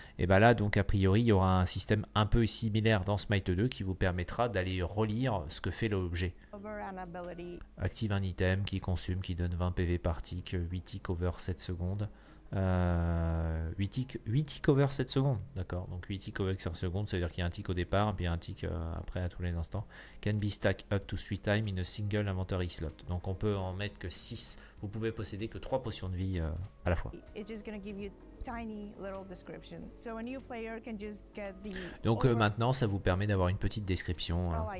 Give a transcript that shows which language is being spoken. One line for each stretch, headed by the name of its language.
French: Et ben là, donc a priori, il y aura un système un peu similaire dans Smite 2 qui vous permettra d'aller relire ce que fait l'objet. Active un item qui consume, qui donne 20 PV par tick, 8 tick over 7 secondes. 8 tick over 7 secondes, d'accord. Donc 8 tick over 7 secondes, ça veut dire qu'il y a un tick au départ, puis un tick après à tous les instants.
English: Can be stacked up to 3 times in a single inventory slot.
French: Donc on peut en mettre que 6. Vous pouvez posséder que 3 potions de vie à la fois.
English: It's just gonna give you tiny little description. So a new player can just get the...
French: Donc maintenant, ça vous permet d'avoir une petite description.